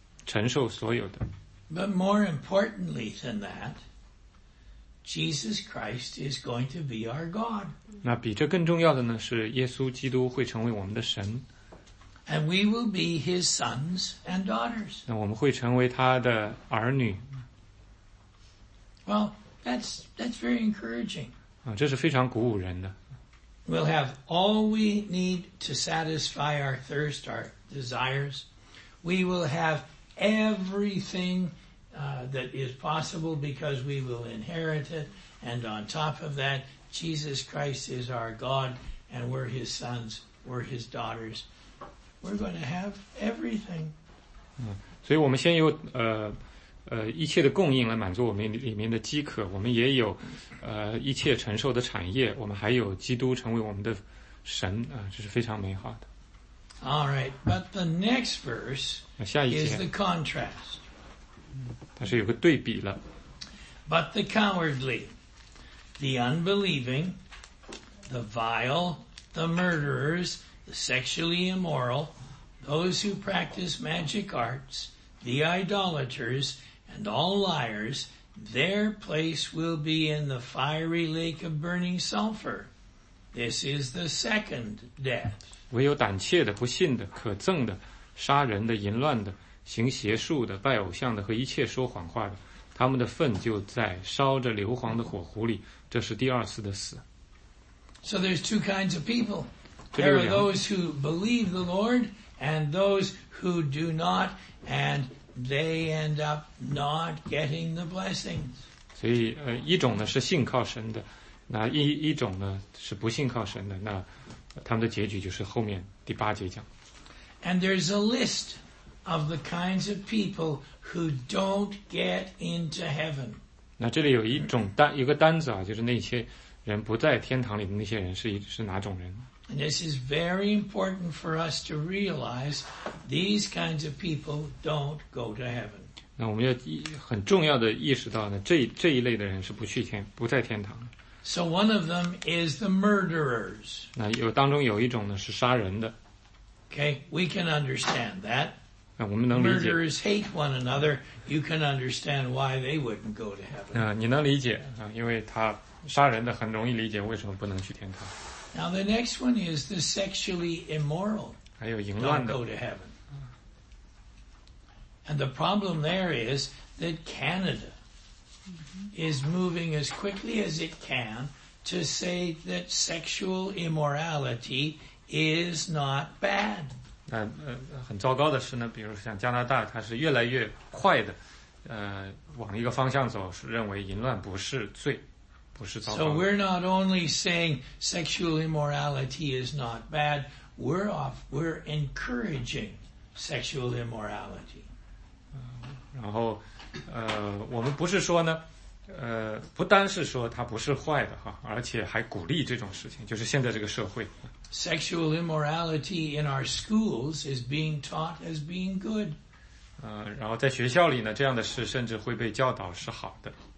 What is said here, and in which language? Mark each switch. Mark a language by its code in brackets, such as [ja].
[zh] 承受所有的。 [en] But more importantly than that, Jesus Christ is going to be our God. [zh] 那比这更重要的呢，是耶稣基督会成为我们的神。 [en] And we will be his sons and daughters. [zh] 那我们会成为他的儿女。 [en] Well, that's very encouraging. [zh] 这是非常鼓舞人的。 [en] We'll have all we need to satisfy our thirst, our desires. We will haveeverything, that is possible because we will inherit it. And on top of that, Jesus Christ is our God and we're his sons, we're his daughters. We're going to have everything. [zh] 所以我们先由一切的供应来满足我们里面的饥渴。我们也有一切承受的产业。我们还有基督成为我们的神这是非常美好的。 [en] All right, but the next verse is the contrast. [zh] 它是有个对比了。 [en] But the cowardly, the unbelieving, the vile, the murderers, the sexually immoral, those who practice magic arts, the idolaters, and all liars, their place will be in the fiery lake of burning sulfur. This is the second death. [zh] 唯有胆怯的、不信的、可憎的、杀人的、淫乱的、行邪术的、拜偶像的和一切说谎话的，他们的粪就在烧着硫磺的火壶里，这是第二次的死。 [en] So there's two kinds of people. There are those who believe the Lord and those who do not, and they end up not getting the blessings. [zh] 所以一种呢是信靠神的，那一种呢是不信靠神的，那他们的结局就是后面第八节讲。 [en] And there's a list of the kinds of people who don't get into heaven. [zh] 那这里有一种单，有个单子啊，就是那些人不在天堂里的那些人是哪种人。 [en] And this is very important for us to realize these kinds of people don't go to heaven. [zh] 那我们要很重要的意识到呢，这一类的人是不在天堂。 [en] So one of them is the murderers. [zh] 那有当中有一种呢是杀人的。 [en] Okay, we can understand that. [zh] 那我们能理解。 [en] Murderers hate one another. You can understand why they wouldn't go to heaven. [zh] 你能理解啊，因为他杀人的很容易理解为什么不能去天堂。 [en] Now the next one is the sexually immoral. [zh] 还有淫乱的。 [en] Don't go to heaven. And the problem there is that Canada is moving as quickly as it can to say that sexual immorality is not bad. [zh] 很糟糕的是呢，比如像加拿大，它是越来越快的，往一个方向走，是认为淫乱不是罪，不是糟糕的。 [en] So we're not only saying sexual immorality is not bad, we're encouraging sexual immorality. [zh] 然后我们不是说呢，不单是说它不是坏的哈，而且还鼓励这种事情，就是现在这个社会。 [en] Sexual immorality in our schools is being taught as being good. [zh] 然后在学校里呢，这样的事甚至会被教导是好的。